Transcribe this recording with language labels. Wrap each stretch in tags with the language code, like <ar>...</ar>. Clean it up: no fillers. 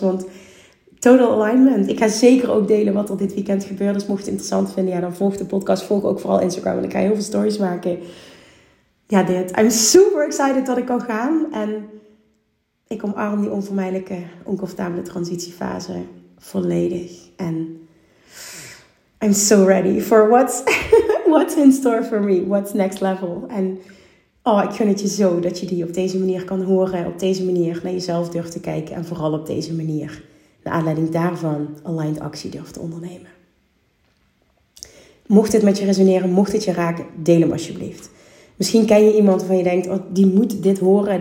<nl>Want</nl> <en>total alignment.</en> <nl>Ik ga zeker ook delen wat er dit weekend gebeurt. Dus mocht je het interessant vinden. Ja, dan volg de podcast. Volg ook vooral Instagram. Want ik ga heel veel stories maken. Ja, dit.</nl> <en>I'm super excited</en> <nl>dat ik kan gaan. En ik omarm die onvermijdelijke, oncomfortabele transitiefase volledig.</nl> <en>En I'm so ready for what's in store for me. What's next level.</en> <nl>En oh, ik gun het je zo dat je die op deze manier kan horen. Op deze manier naar jezelf durft te kijken. En vooral op deze manier, naar aanleiding daarvan, aligned actie durft te ondernemen. Mocht dit met je resoneren, mocht dit je raken, deel hem alsjeblieft. Misschien ken je iemand waarvan je denkt, oh, die moet dit horen.</nl>